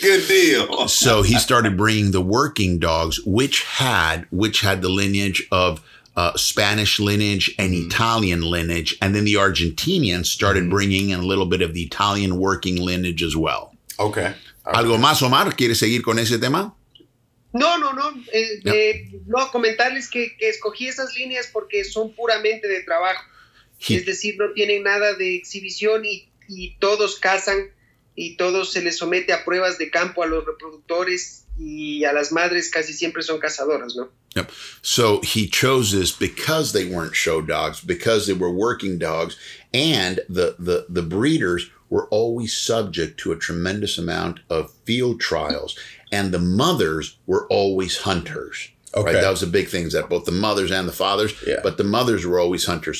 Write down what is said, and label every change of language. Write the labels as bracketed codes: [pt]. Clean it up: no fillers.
[en] Good deal. So he started bringing the working dogs, which had the lineage of Spanish lineage and Italian lineage. And then the Argentinians started bringing in a little bit of the Italian working lineage as well. Okay. [es] ¿Algo más, Omar? ¿Quieres seguir con ese tema? No. No, comentarles que escogí esas líneas porque son puramente de trabajo. Es decir, no tienen nada de exhibición y todos cazan y todos se les somete a pruebas de campo a los reproductores y a las madres casi siempre son cazadoras, ¿no? [en] Yep. So he chose this because they weren't show dogs, because they were working dogs, and the breeders were always subject to a tremendous amount of field trials. And the mothers were always hunters. Okay. Right? That was a big thing, is that both the mothers and the fathers, but the mothers were always hunters.